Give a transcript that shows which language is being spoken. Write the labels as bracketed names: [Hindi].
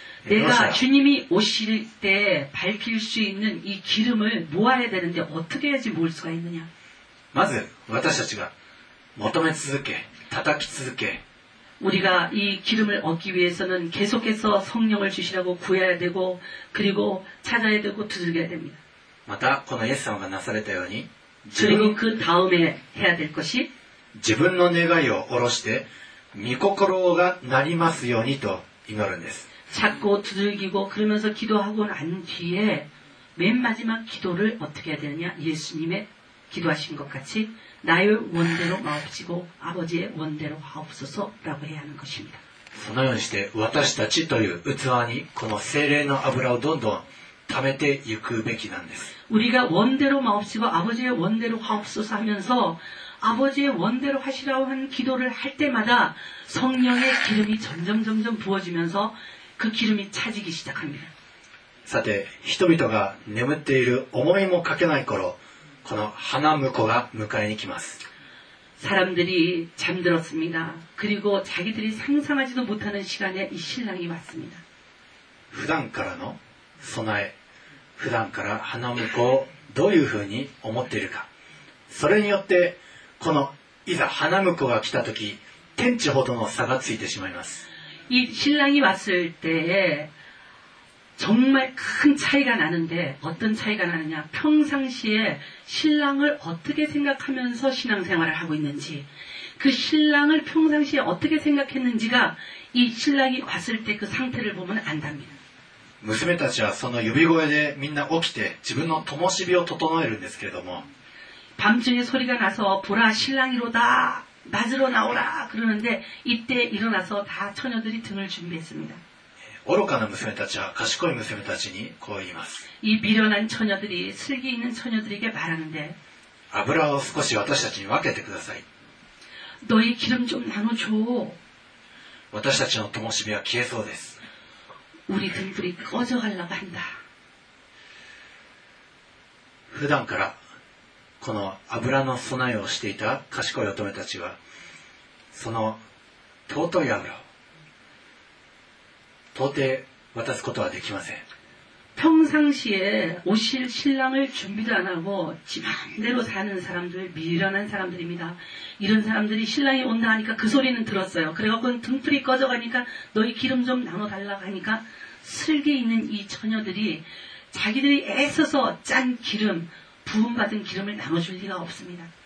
[Korean] 내가주님이오실때밝힐수있는이기름을모아야되는데어떻게해야지모을수가있느냐 [Japanese] まず私たちが求め続け叩き続け [Korean] 우리가이기름을얻기위해서는계속해서성령을주시라고구해야되고그리고찾아야되고두들겨야됩니다 [Japanese] またこのイエス様がなされたように [Korean] 그리고그다음에해야될것이 [Japanese] 自分の願いを下ろして御心がなりますようにと祈るんです [Korean] 찾고두들기고그러면서기도하고난뒤에맨마지막기도를어떻게해야되느냐예수님의기도하신것같이나의원대로마옵시고아버지의원대로하옵소서라고해야하는것입니다 [Japanese] そのようにして私たちという器にこの聖霊の油をどんどん溜めていくべきなんです [Korean] 우리가원대로마옵시고아버지의원대로하옵소서하면서아버지의원대로하시라고하는기도를할때마다성령의기름이점점부어지면서그기름이차지기시작합니다 [Japanese] さて人々が眠っている思いもかけない頃この花婿が迎えに来ます [Korean] 사람들이잠들었습니다그리고자기들이상상하지도못하는시간에이신랑이왔습니다 [Japanese] 普段からの備え普段から花婿をどういうふうに思っているかそれによってこのいざ花婿が来た時天地ほどの差がついてしまいます [Korean] い신랑이왔을때정말큰차이가나는데어떤차이가나느냐평상시에신랑을어떻게생각하면서신앙생활을하고있는지그신랑을평상시에어떻게생각했는지가이신랑이왔을때그상태를보면안답니다 [Japanese] 娘たちはその呼び声でみんな起きて自分の灯火を整えるんですけれども [Korean] 밤중에소리가나서보라신랑이로다맞으러나오라그러는데이때일어나서다처녀들이등을준비했습니다 [Japanese] 愚かな娘たちは賢い娘たちにこう言います [Korean] 이미련한처녀들이슬기있는처녀들에게말하는데 [Japanese] 油を少し私たちに分けてください [Korean] 너희기름좀나눠줘 [Japanese] 私たちの灯火は消えそうです [Korean] 우리등불이꺼져가려고한다 [Japanese] 普段からこの油の備えをしていた賢い乙女たちはその尊い油を到底渡すことはできません [Korean] 평상시에오실신랑을준비도안하고지맘대로사는사람들미련한사람들입니다이런사람들이신랑이온다하니까그소리는들었어요그래갖고등불이꺼져가니까너희기름좀나눠달라고하니까슬기있는이처녀들이자기들이애써서짠기름부음받은기름을나눠줄리가없습니다